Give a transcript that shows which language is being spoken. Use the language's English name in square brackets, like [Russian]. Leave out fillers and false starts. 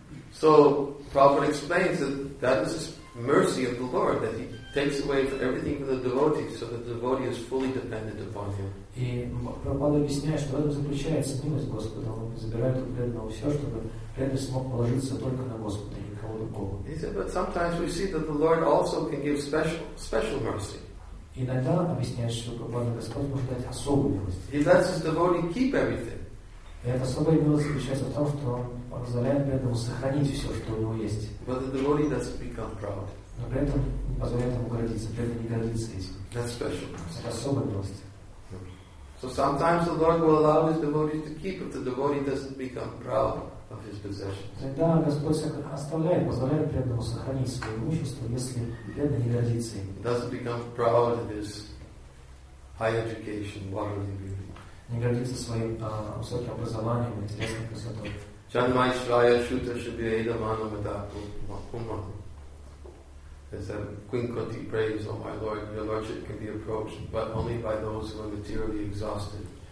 [English] So Prabhupada explains that that is the mercy of the Lord, that he takes away from everything from the devotee, so that the devotee is fully dependent upon him. [Russian] И Прабхупада объясняет, что в этом заключается милость Господа. Он забирает у преданного все, чтобы преданный смог положиться только на Господа, никого другого. [English] He said, but sometimes we see that the Lord also can give special mercy. [Russian] Иногда объясняет, что Прабхупада Господь может дать особую милость. [English] He lets his devotee keep everything. [Russian] И эта особая милость заключается в том, что он позволяет преданному сохранить все, что у него есть. [English] But the devotee doesn't become proud. [Russian] Но при этом не позволяет ему гордиться, при этом не гордится этим. [English] That's special. [Russian] Это особая милость. [English] So sometimes the Lord will allow his devotees to keep if the devotee doesn't become proud of his possessions. [Russian] Тогда Господь оставляет, позволяет преданному сохранить свое имущество, если преданный не гордится им. [English] Doesn't become proud of his high education, worldly degree. [Russian] Не гордится своим высоким образованием, интересным красотой. [Sanskrit] Janmaishraya Shuta Shubhyeda Mano Madhapu Mahuma. [English] It's a quinquenty praise, oh my Lord, your Lordship can be approached, but only by those who are materially exhausted.